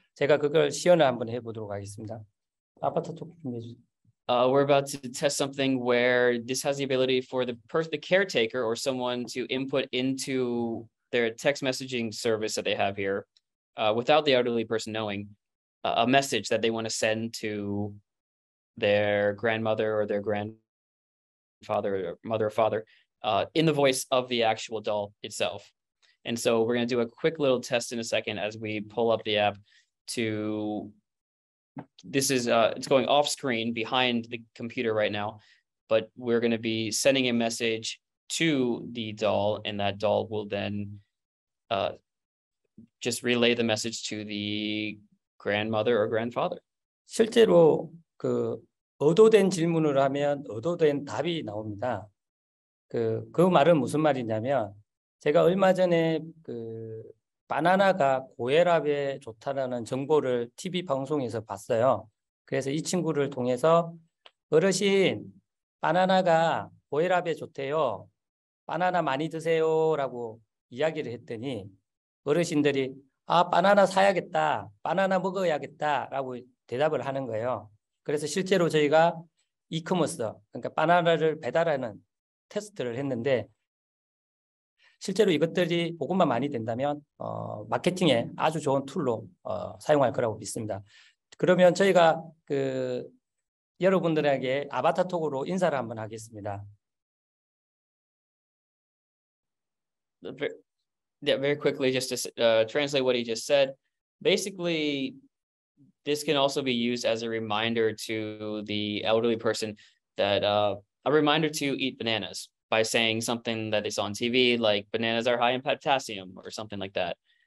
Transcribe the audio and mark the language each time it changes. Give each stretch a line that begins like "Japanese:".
Korean: 제가 그걸 시연을 한번 해보도록 하겠습니다. 아바타 톡 준비해 주세요.
English: We're about to test something where this has the ability for the caretaker or someone to input into their text messaging service that they have here without the elderly person knowing a message that they want to send to their grandmother or their grandfather or mother or father in the voice of the actual doll itself. And so we're going to do a quick little test in a second as we pull up the app to, this is, it's going off screen behind the computer right now, but we're going to be sending a message to the doll and that doll will then just relay the message to the grandmother or grandfather.
Korean: 실제로 그 의도된 질문을 하면 의도된 답이 나옵니다. 그 말은 무슨 말이냐면 제가 얼마 전에 그 바나나가 고혈압에 좋다라는 정보를 TV 방송에서 봤어요. 그래서 이 친구를 통해서 어르신 바나나가 고혈압에 좋대요. 바나나 많이 드세요 라고 이야기를 했더니 어르신들이 아 바나나 사야겠다 바나나 먹어야겠다 라고 대답을 하는 거예요. 그래서 실제로 저희가 이커머스, 그러니까 바나나를 배달하는 테스트를 했는데 실제로 이것들이 보급만 많이 된다면 마케팅에 아주 좋은 툴로 사용할 거라고 믿습니다. 그러면 저희가 그 여러분들에게 아바타 톡으로 인사를 한번 하겠습니다.
English: Yeah, very quickly, just to translate what he just said, basically this can also be used as a reminder to the elderly person that a reminder to eat bananas by saying something that is on TV, like bananas are high in potassium or something like that.